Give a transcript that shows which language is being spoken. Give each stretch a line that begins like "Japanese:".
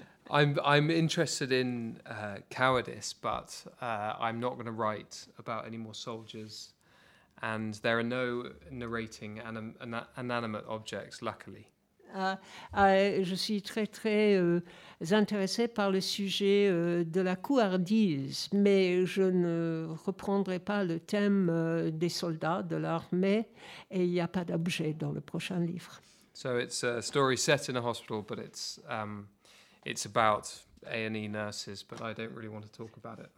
English: I'm interested in cowardice, but I'm not going to write about any more soldiers. And there are no narrating inanimate objects, luckily.
French: Je suis très, très intéressée par le sujet de la couardise, mais je ne reprendrai pas le thème des soldats, de l'armée, et il n'y a pas d'objet dans le prochain livre.
English: So it's a story set in a hospital, but it's about A&E nurses, but I don't really want to talk about it.